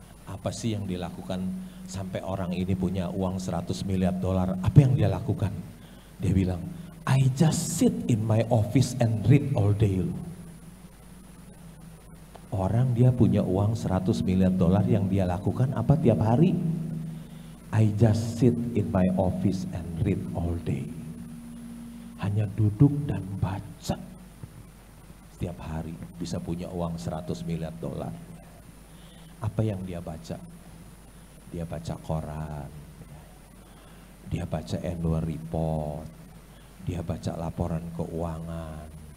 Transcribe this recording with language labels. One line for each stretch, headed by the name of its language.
Indonesian: Apa sih yang dilakukan sampai orang ini punya uang 100 miliar dolar? Apa yang dia lakukan? Dia bilang,
English: I just sit in my office and read all day.
Indonesian: Orang dia punya uang 100 miliar dolar, yang dia lakukan apa tiap hari?
English: I just sit in my office and read all day.
Indonesian: Hanya duduk dan baca setiap hari bisa punya uang 100 miliar dolar. Apa yang dia baca? Dia baca koran, dia baca annual report, dia baca laporan keuangan.